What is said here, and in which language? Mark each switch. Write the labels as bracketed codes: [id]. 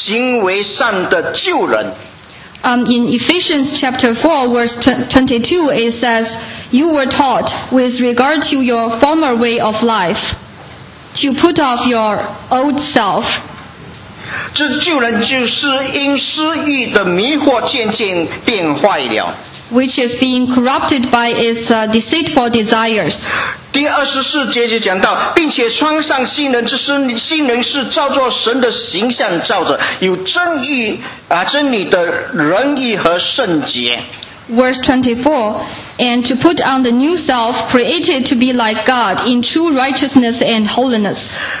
[zh] 所以在以弗所书第四章第二十二节里面讲得很清楚，就要脱去你们以前行为上的旧人。 [en] In Ephesians chapter 4, verse 22, it says, you were taught with regard to your former way of life to put off your old self. [zh] 这旧人就是因私欲的迷惑渐渐变坏了。 [en] Which is being corrupted by its deceitful desires. [zh] 第二十四节就讲到，并且穿上新人，这是新人是照着神的形象造着，有真意、真理的仁义和圣洁。 [en] Verse 24, and to put on the new self, created to be like God in true righteousness and holiness.